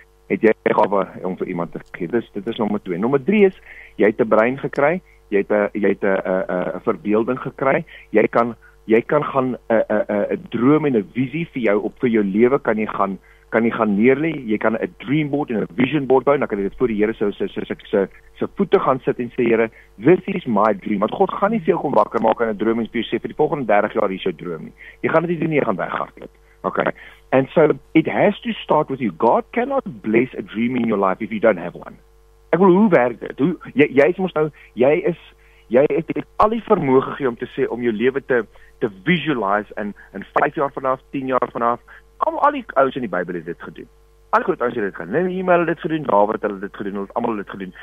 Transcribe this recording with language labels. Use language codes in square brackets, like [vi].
[af] Het jy gawe om vir iemand te gee. Dit is nommer 2. Nommer 3 is, jy het 'n brein gekry, jy het 'n verbeelding gekry, jy kan gaan 'n droom en 'n visie vir jou op vir jou lewe kan jy gaan neerlê. Jy kan 'n dream board en 'n vision board bou, en dan kan jy dit voor die Here se voete gaan sit en sê, Here, [en] this is my dream. [af] Want God gaan nie vir jou kom wakker maak aan 'n droom en sê vir die volgende 30 jaar is jou droom nie. Jy gaan dit nie doen nie, jy gaan weghardloop. [en] Okay. And so it has to start with you. God cannot bless a dream in your life if you don't have one. [af] Ek wil, hoe werk dit? Jy het al die vermoë gegee om te sê, om jou lewe te visualize in 5 jaar vanaf, 10 jaar vanaf. Al die ouens in die Bybel het dit gedoen. Al die groot ouens het dit gedoen. Nee, iemand het dit gedoen. Dawid het dit gedoen. Hulle het almal dit gedoen.